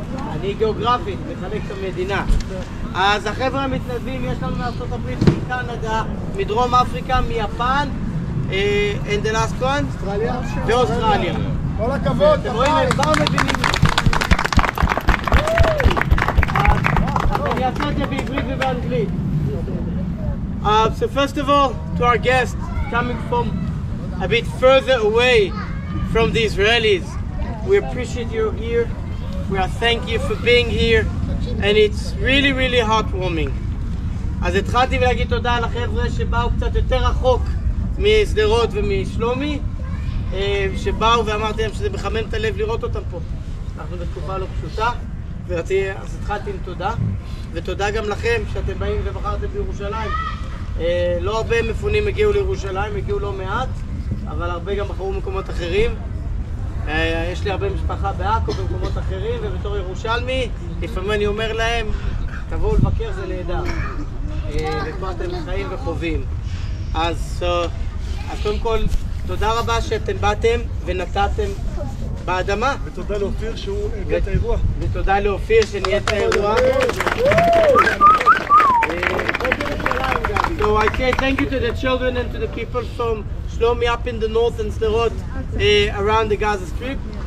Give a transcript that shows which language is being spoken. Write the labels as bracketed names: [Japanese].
[Hebrew] אני גיאוגרפית, מחלק את המדינה. אז החבר'ה המתנדבים, יש לנו מארצות הברית, מקנדה, מדרום אפריקה, מיפן, [English] and the last one, [Hebrew] ואוסטרליה. כל הכבוד, אתם רואים, הם באו מבינים. אני אעשה את זה בעברית ובאנגלית. [English] So first of all, to our guests coming from a bit further away from the Israelis, we appreciate you here. We are thank you for being here, and it's really, really heartwarming. [Hebrew] אז התחלתי להגיד תודה לחבר'ה שבאו קצת יותר רחוק משדרות ומשלומי, שבאו ואמרתי להם שזה מחמם את הלב לראות אותם פה. אנחנו בתקופה לא פשוטה, אז התחלתי עם תודה. ותודה גם לכם שאתם באים ובחרתם בירושלים. לא הרבה מפונים הגיעו לירושלים, הגיעו לא מעט, אבל הרבה גם בחרו מקומות אחרים. יש לי הרבה משפחה באקו במקומות אחרים, ובתור ירושלמי, לפעמים אני אומר להם, תבואו לבקר, זה נהדר. ופה אתם חיים וחווים. אז קודם כל, תודה רבה שאתם באתם ונתתם באדמה. ותודה לאופיר שהוא הגיע את האירוע. ותודה לאופיר שנהיה את האירוע. [English] So I say thank you to the children and to the people from Shlomi up in the north and Sderot around the Gaza Strip.